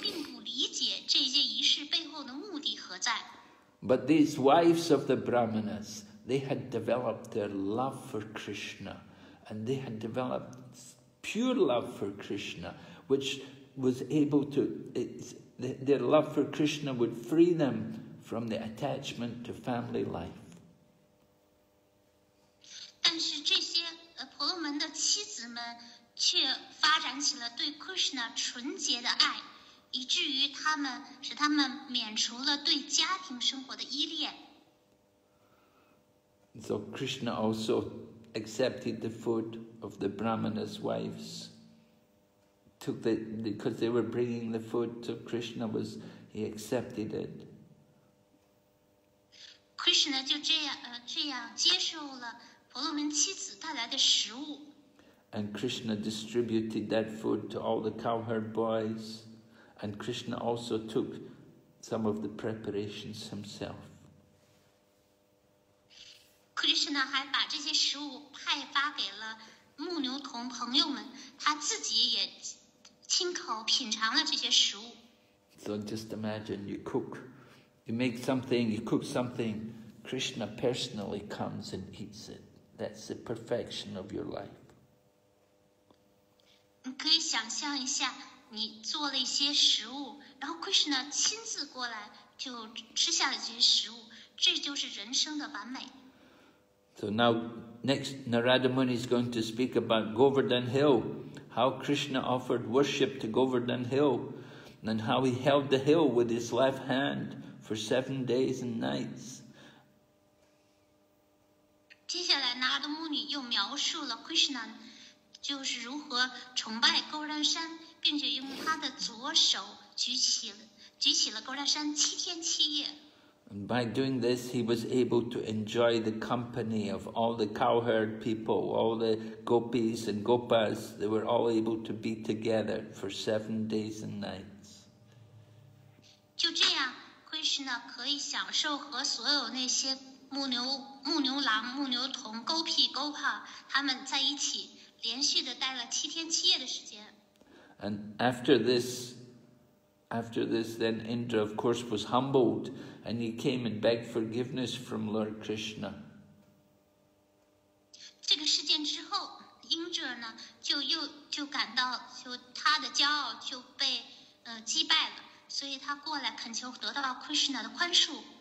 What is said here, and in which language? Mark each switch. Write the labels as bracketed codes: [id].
[zh] 这些婆罗门仅仅是依附着那些仪式仪轨，他们并不理解这些仪式背后的目的何在。 [en] But these wives of the brahmanas, they had developed their love for Krishna, and they had developed pure love for Krishna, which was able to, their love for Krishna would free them from the attachment to family life. [zh] 但是这些婆罗门的妻子们却发展起了对Krishna纯洁的爱, 以至于他们使他们免除了对家庭生活的依恋。 [en] So Krishna also accepted the food of the brahmana's wives. Took the because they were bringing the food, so Krishna was he accepted it. [zh] Krishna 就这样这样接受了婆罗门妻子带来的食物。 [en] And Krishna distributed that food to all the cowherd boys, and Krishna also took some of the preparations himself. [zh] Krishna 还把这些食物派发给了牧牛童朋友们，他自己也亲口品尝了这些食物。 [en] So just imagine, you cook, you make something, you cook something, Krishna personally comes and eats it. That's the perfection of your life. [zh] 你可以想象一下，你做了一些食物，然后 Krishna 亲自过来就吃下了这些食物，这就是人生的完美。 [en] So now, next, Narada Muni is going to speak about Govardhan Hill, how Krishna offered worship to Govardhan Hill, and how he held the hill with his left hand for 7 days and nights. [zh] 接下来 Narada Muni 又描述了 Krishna. 就是如何崇拜高山山，并且用他的左手举起了高山山7天7夜。 [en] And by doing this, he was able to enjoy the company of all the cowherd people, all the gopis and gopas. They were all able to be together for 7 days and nights. [zh] 就这样 ，Krishna 可以享受和所有那些牧牛郎、牧牛童、gopi、gopa 他们在一起。连续地待了7天7夜的时间。 [en] And after this, then Indra, of course, was humbled, and he came and begged forgiveness from Lord Krishna. [zh] 这个事件之后 ，Indra 呢就感到就他的骄傲就被击败了，所以他过来恳求得到 Krishna 的宽恕。